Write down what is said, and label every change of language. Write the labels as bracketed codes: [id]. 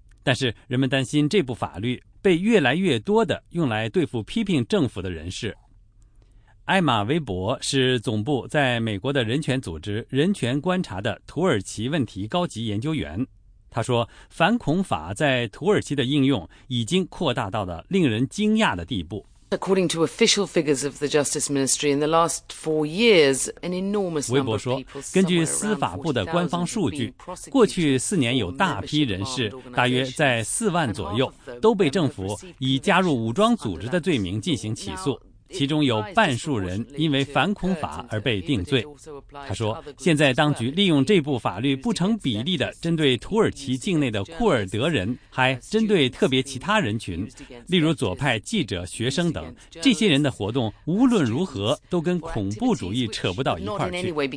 [zh] 但是人们担心这部法律被越来越多的用来对付批评政府的人士。艾玛·韦伯是总部在美国的人权组织人权观察的土耳其问题高级研究员，他说反恐法在土耳其的应用已经扩大到了令人惊讶的地步。 [en] According to official figures of the Justice Ministry, in the last four years, an enormous number of people. [zh] 说，根据司法部的官方数据，过去四年有大批人士，大约在40,000左右，都被政府以加入武装组织的罪名进行起诉。其中有半数人因为反恐法而被定罪。他说，现在当局利用这部法律不成比例地针对土耳其境内的库尔德人，还针对特别其他人群，例如左派记者、学生等，这些人的活动无论如何都跟恐怖主义扯不到一块儿去。